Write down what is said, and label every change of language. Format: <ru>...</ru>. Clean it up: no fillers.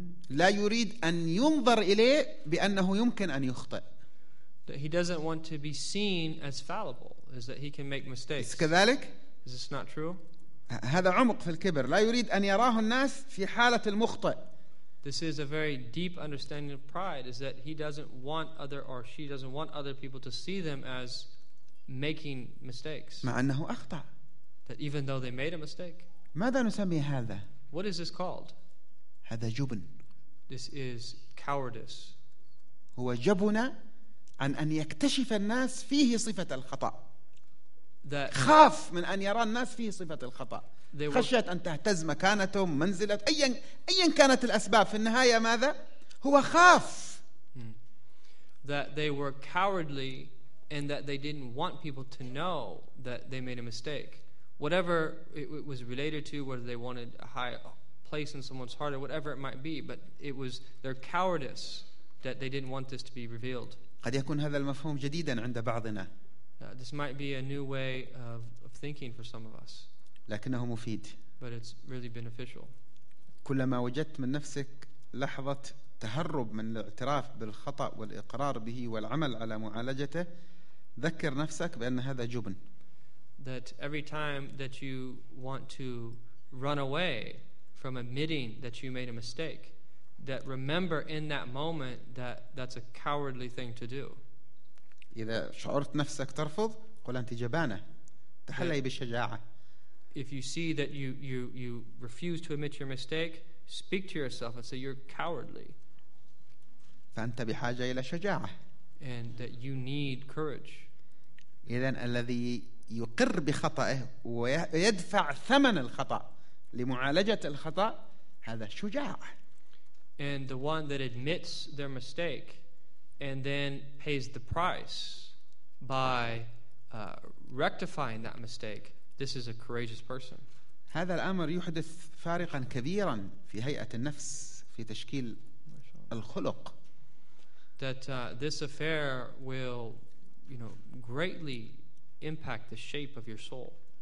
<ar>لا يريد أن ينظر إليه بأنه يمكن أن يخطئ.</ar> <en>That he doesn't want to be seen as fallible, is that he can make mistakes.</en> <ar>كذلك؟</ar> <en>Is this not true?</en> <ar>هذا عمق في الكبر. لا يريد أن يراه الناس في حالة المخطئ.</ar> <en>This is a very deep understanding of pride, is that he doesn't want other or she doesn't want other people to see them as making mistakes.</en> <ar>مع أنه أخطأ.</ar> <en>That even though they made a mistake.</en> <ar>ماذا نسمي هذا؟</ar> <en>What is this called?</en> <ar>هذا جبن.</ar> <en>This is cowardice.</en> <ar>هو جبن عن أن يكتشف الناس فيه صفة الخطأ.</ar> <en>That</en> <ar>خاف من أن يرى الناس فيه صفة الخطأ. خشيت أن تهتز مكانته منزلة أيا كانت الأسباب في النهاية ماذا هو خاف.</ar> <en>That they were cowardly and that they didn't want people to know that they made a mistake. Whatever it was related to, whether they wanted a high place in someone's heart or whatever it might be, but it was their cowardice that they didn't want this to be revealed.</en> <ar>قد يكون هذا المفهوم جديدا عند بعضنا.</ar> <en>This might be a new way of thinking for some of us.</en> <ar>لكنه مفيد.</ar> <en>But it's really beneficial.</en> <ar>كلما وجدت من نفسك لحظة تهرب من الاعتراف بالخطأ والإقرار به والعمل على معالجته، ذكر نفسك بأن هذا جبن.</ar> <en>That every time that you want to run away from admitting that you made a mistake, that remember in that moment that that's a cowardly thing to do.</en> <ar>إذا شعرت نفسك ترفض، قل أنت جبانة، تحلي بالشجاعة.</ar> <en>If you see that you refuse to admit your mistake, speak to yourself and say you're cowardly.</en> <ar>فأنت بحاجة إلى شجاعة.</ar> <en>And that you need courage.</en> <ar>إذن الذي يقر بخطأه ويدفع ثمن الخطأ لمعالجة الخطأ هذا شجاع.</ar> <en>And the one that admits their mistake and then pays the price by rectifying that mistake, this is a courageous person.</en> <ar>هذا الأمر يحدث فارقا كبيرا في هيئة النفس في تشكيل الخلق.</ar> <en>That this affair will, you know, greatly impact the shape of your soul.</en>